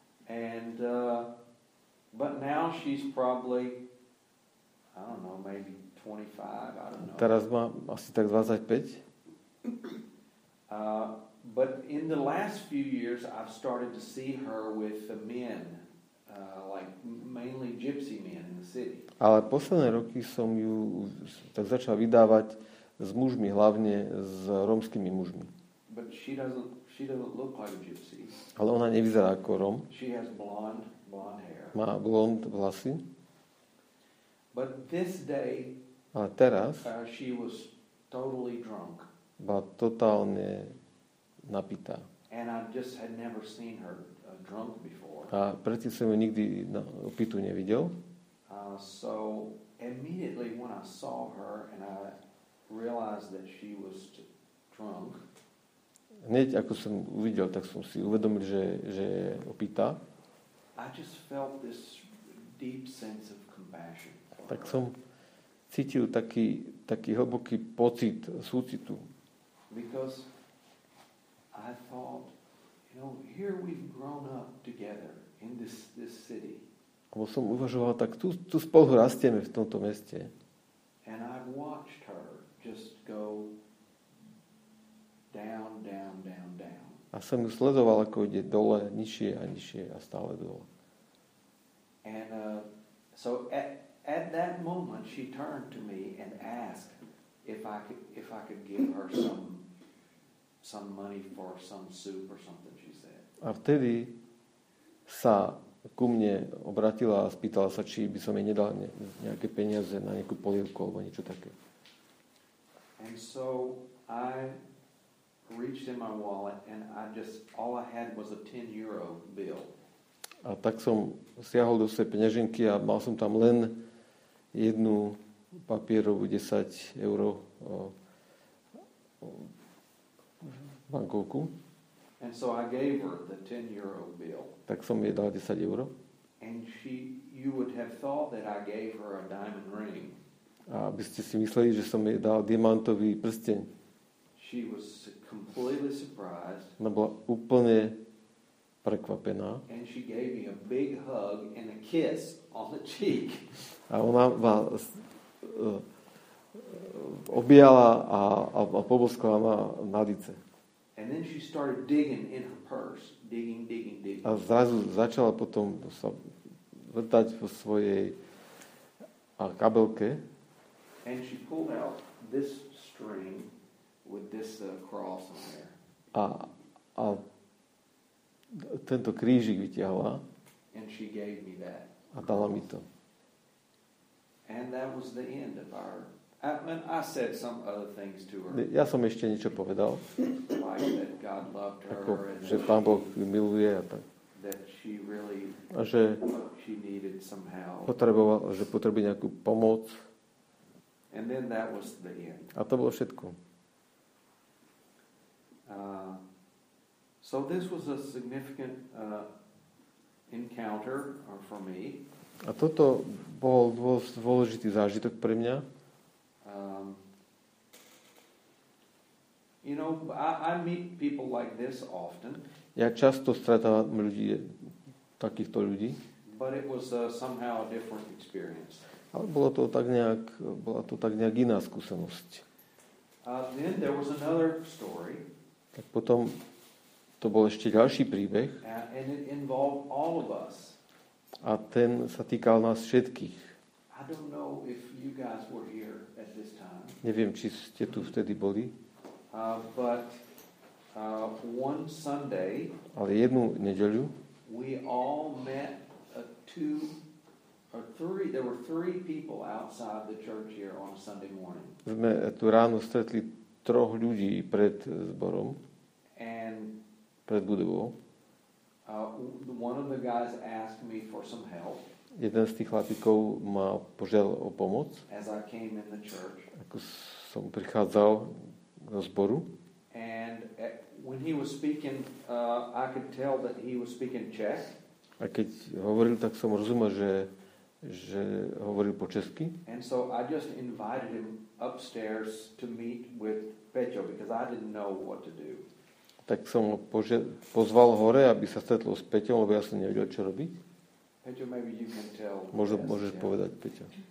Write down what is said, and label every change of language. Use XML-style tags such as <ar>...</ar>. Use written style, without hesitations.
<en>And but now she's probably, I don't know, maybe 25, I don't know.</en> <sk>Teraz má asi tak 25.</sk> <en>But in the last few years I've started to see her with the men, like mainly gypsy men in the city.</en> <sk>Ale posledné roky som ju tak začal vydávať s mužmi, hlavne s rómskymi mužmi.</sk> <en>But she doesn't look like a gypsy.</en> <sk>Ale ona nevyzerá ako Róm.</sk> <en>She has blonde hair.</en> <sk>Má blond vlasy.</sk> <en>But this day,</en> <sk>ale teraz,</sk> <en>she was totally drunk.</en> <sk>Bola totálne napitá.</sk> <en>And I just had never seen her drunk before.</en> <sk>A predtým som ju nikdy opitú nevidel.</sk> <en>So immediately when I saw her and I realized that she was drunk.</en> <sk>Hneď ako som uvidel, tak som si uvedomil, že je opitá.</sk> <en>I just felt this deep sense of compassion.</en> <sk>Tak som cítil taký hlboký pocit súcitu.</sk> <en>Because I thought, you know, here we've grown up together in this city.</en> <sk>Lebo som uvažoval, tak tu spolu rastieme v tomto meste.</sk> <en>And I've watched her just go down.</en> <sk>A som ju sledoval, ako ide dole, nižšie a nižšie a stále dole.</sk> <en>And so at that moment she turned to me and asked if I could give her some money for some soup or something, she said.</en> <sk>A vtedy sa ku mne obratila a spýtala sa, či by som jej nedal nejaké peniaze na nejakú polievku alebo niečo také.</sk> <en>And so I reached in my wallet and all I had was a 10 euro bill.</en> <sk>A tak som siahol do svojej peňaženky a mal som tam len jednu papierovú 10 euro bankovku.</sk> <en>And so I gave her the 10 euro bill.</en> <sk>Tak som jej dal 10 euro.</sk> <en>And she, you would have thought that I gave her a diamond ring.</en> <sk>A by ste si mysleli, že som jej dal diamantový prsteň.</sk> <en>She was completely surprised.</en> <sk>Ona bola úplne prekvapená.</sk> <en>And she gave me a big hug and a kiss on the cheek.</en> <sk>A ona ma objala a poboskala ma na lice.</sk> <en>And then she started digging in her purse, digging.</en> <sk>A zrazu začala potom sa vrtať po svojej kabelke.</sk> <en>And she pulled out this string with this cross on there.</en> <sk>A tento krížik vytiahla.</sk> <en>And she gave me that.</en> <sk>A dala mi to.</sk> <en>And that was the end of our. I said some other things to her.</en> <sk>Ja som ešte niečo povedal.</sk> <en>Like that God loved her.</en> <sk>Ako, že Pán Boh ju miluje a tak.</sk> <en>That she really.</en> <sk>A že</sk> <en>she needed some help.</en> <sk>Potrebuje nejakú pomoc.</sk> <en>And then that was the end.</en> <sk>A to bolo všetko.</sk> <en>So this was a significant encounter for me.</en> <sk>A toto bol dosť dôležitý zážitok pre mňa.</sk> <en>You know, I meet people like this often.</en> <sk>Ja často stretávam ľudí, takýchto ľudí.</sk> <en>But it was somehow a different experience.</en> <sk>Ale bola to tak nejak iná skúsenosť.</sk> <en>Then there was another story.</en> <sk>Tak potom to bol ešte ďalší príbeh.</sk> <en>And it involved all of us.</en> <sk>A ten sa týkal nás všetkých.</sk> <en>I don't know if you guys were here at this time.</en> <sk>Neviem, či ste tu vtedy boli.</sk> <en>But one Sunday,</en> <sk>ale jednu nedeľu,</sk> <en>we all met there were three people outside the church here on a Sunday morning.</en> <sk>Sme tu ráno stretli troch ľudí pred zborom.</sk> <en>And</en> <sk>pred budovou.</sk> <en>One of the guys asked me for some help.</en> <sk>Jeden z tých chlapíkov ma požiadal o pomoc.</sk> <en>As I came in the church.</en> <sk>Ako som prichádzal do zboru.</sk> <en>And when he was speaking, I could tell that he was speaking Czech.</en> <sk>A keď hovoril, tak som rozumel, že hovoril po česky.</sk> <en>And so I just invited him upstairs to meet with Peťo, because I didn't know what to do.</en> <sk>Tak som ho pozval hore, aby sa stretlo s Peťom, lebo ja som nevedel, čo robiť.</sk> <en>Peťo, maybe you can tell.</en> <sk>Možno môžeš povedať, Peťo.</sk>